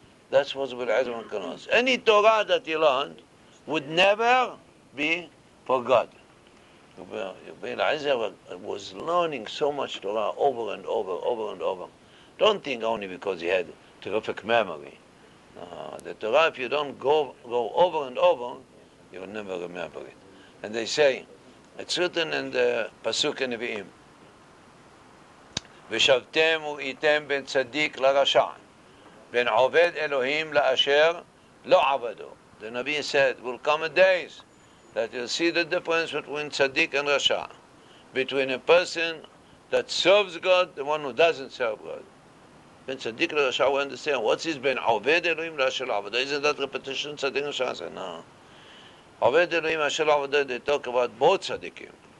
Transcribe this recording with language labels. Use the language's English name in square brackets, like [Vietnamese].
[English] That's what Rabbi Eliezer ben Horkenos. Any Torah that he learned would never be forgotten. Rabbi Eliezer was learning so much Torah over and over, over and over. Don't think only because he had terrific memory. The Torah, if you don't go over and over, you'll never remember it. And they say, it's written in the Pasuk in Nevi'im, [Hebrew] ושבתם ואיתם בין צדיק לרשע, בין עובד אלוהים לאשר לא עבדו. [English] The Nabi said, will come a days that you'll see the difference between tzaddik and rasha, between a person that serves God, the one who doesn't serve God. [Hebrew] Bin tzaddik lerasha, [English] we understand, what is bin obed Elohim l'asher l'avodah? Isn't that repetition, tzaddik and rasha? I said, no. Obed Elohim l'asher l'avodah, they talk about both tzaddikim.